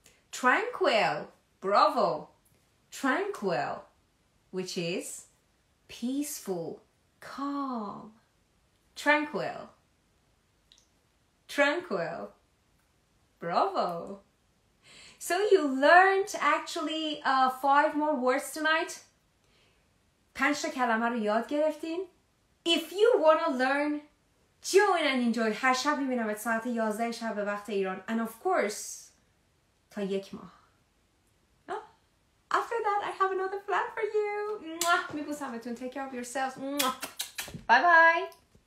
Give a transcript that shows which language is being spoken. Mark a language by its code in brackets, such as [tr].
[en] Tranquil, bravo, tranquil, which is peaceful, calm, tranquil, tranquil, bravo. So you learned actually 5 more words tonight. [fa] 5 تا کلمه رو یاد گرفتین. [en] If you want to learn, join and enjoy. [fa] هر شب می‌بینم ات ساعت 11 شب به وقت ایران. [en] And of course, [fa] تا یک ماه. [en] After that, I have another plan for you. [fa] می‌بوسمتون. [en] Take care of yourselves. Bye-bye.